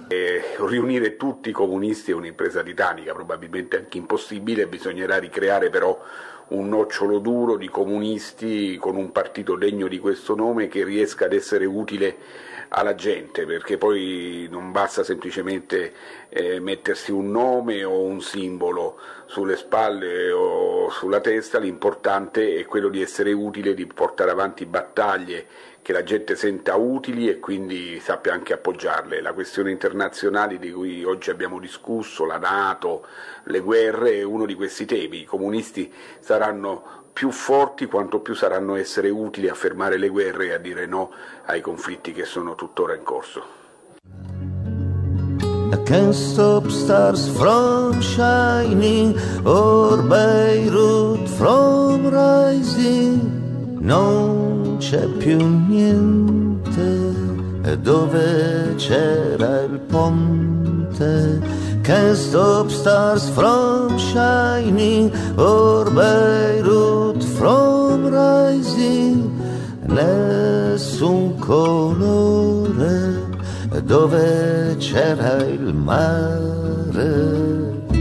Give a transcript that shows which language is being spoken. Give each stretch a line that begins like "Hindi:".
Italian: E riunire tutti i comunisti è un'impresa titanica, probabilmente anche impossibile, bisognerà ricreare però un nocciolo duro di comunisti con un partito degno di questo nome che riesca ad essere utile alla gente, perché poi non basta semplicemente mettersi un nome o un simbolo sulle spalle o sulla testa, l'importante è quello di essere utile, di portare avanti battaglie che la gente senta utili e quindi sappia anche appoggiarle. La questione internazionale di cui oggi abbiamo discusso, la NATO, le guerre, è uno di questi temi. I comunisti saranno più forti quanto più saranno essere utili a fermare le guerre e a dire no ai conflitti che sono tuttora in corso.
English: I can't stop stars from shining or Beirut from rising.
Italian: Non c'è c'è più niente, e dove c'era il ponte.
English: Can't stop stars from shining, or Beirut from rising.
Italian: Nessun colore, e dove c'era il mare.